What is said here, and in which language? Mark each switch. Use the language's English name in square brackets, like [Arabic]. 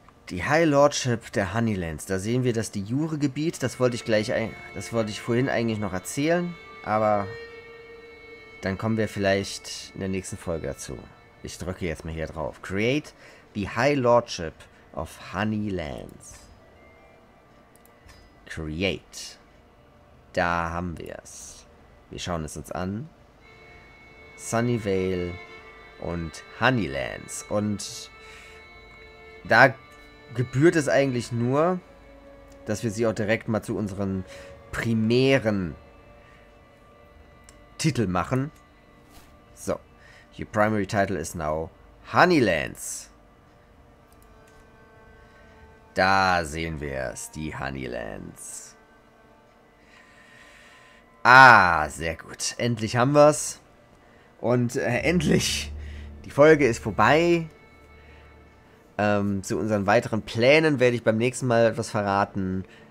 [German] Die High Lordship der Honeylands. Da sehen wir, dass die Jure-Gebiet, das wollte ich vorhin eigentlich noch erzählen, aber dann kommen wir vielleicht in der nächsten Folge dazu. Ich drücke jetzt mal hier drauf. [English] Create the High Lordship of Honeylands. [German] Create. Da haben wir es. Wir schauen es uns an. Sunnyvale und Honeylands. Und da gebührt es eigentlich nur, dass wir sie auch direkt mal zu unseren primären Titel machen. So. [English] Your primary title is now Honeylands. [German] Da sehen wir es, die Honeylands. Ah, sehr gut. Endlich haben wir es. Und endlich, die Folge ist vorbei. Zu unseren weiteren Plänen werde ich beim nächsten Mal etwas verraten.